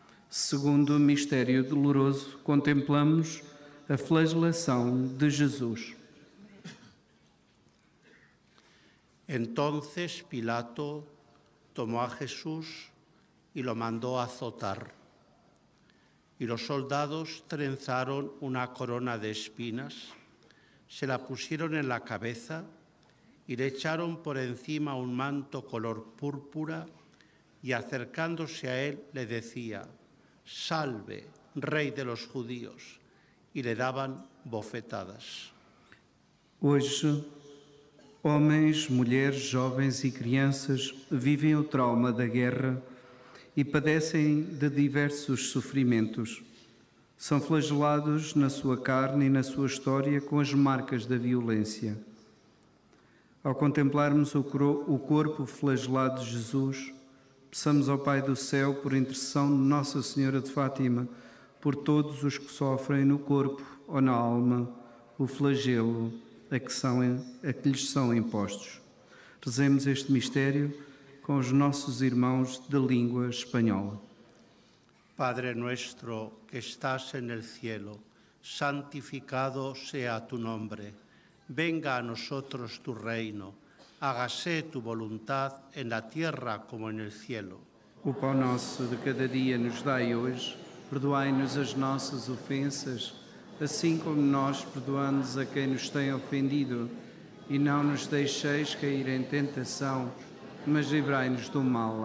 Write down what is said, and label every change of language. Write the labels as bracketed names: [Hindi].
[Portuguese] Segundo o mistério doloroso, contemplamos a flagelação de Jesus. [Spanish] Entonces Pilato tomó a Jesús y lo mandó a azotar. y los soldados trenzaron una corona de espinas, se la pusieron en la cabeza y le echaron por encima un manto color púrpura y acercándose a él le decía, «Salve, rey de los judíos», y le daban bofetadas. [Portuguese] Hoje, homens, mulheres, jovens e crianças vivem o trauma da guerra e padecem de diversos sofrimentos. São flagelados na sua carne e na sua história com as marcas da violência. Ao contemplarmos o corpo flagelado de Jesus, peçamos ao Pai do Céu, por intercessão de Nossa Senhora de Fátima, por todos os que sofrem no corpo ou na alma, o flagelo a que lhes são impostos. Rezemos este mistério com os nossos irmãos da língua espanhola. [Spanish] Padre nuestro que estás en el cielo, santificado sea tu nombre. Venga a nosotros tu reino. Hágase tu voluntad en la tierra como en el cielo. [Portuguese] O pão nosso de cada dia nos dai hoje. Perdoai-nos as nossas ofensas, assim como nós perdoamos a quem nos tem ofendido. E não nos deixeis cair em tentação, mas livrai-nos do mal.